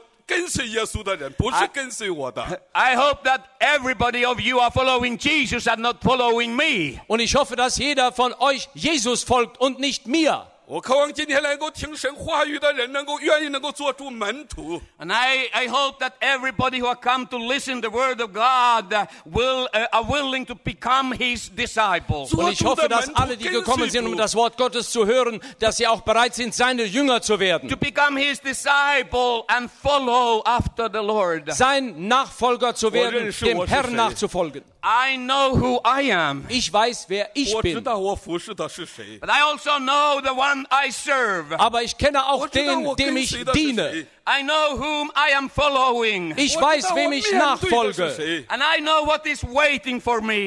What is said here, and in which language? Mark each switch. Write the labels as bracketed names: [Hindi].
[English] I hope that everybody of you are following Jesus and not following me. [German] Und ich hoffe, dass jeder von euch Jesus folgt und nicht mir. [English] And I hope that everybody who has come to listen to the word of God will are willing to become his disciples. [German] Und ich hoffe, dass alle, die gekommen sind, um das Wort Gottes zu hören, dass sie auch bereit sind, seine Jünger zu werden. [English] To become his disciple and follow after the Lord. [German] Sein Nachfolger zu werden, dem Herrn nachzufolgen. [English] I know who I am. [German] Ich weiß, wer ich bin. [English] But I also know the one I serve. [German] Aber ich kenne auch den, dem ich diene. [English] I know whom I am following. [German] Ich weiß, wem ich nachfolge. [English] And I know what is waiting for me.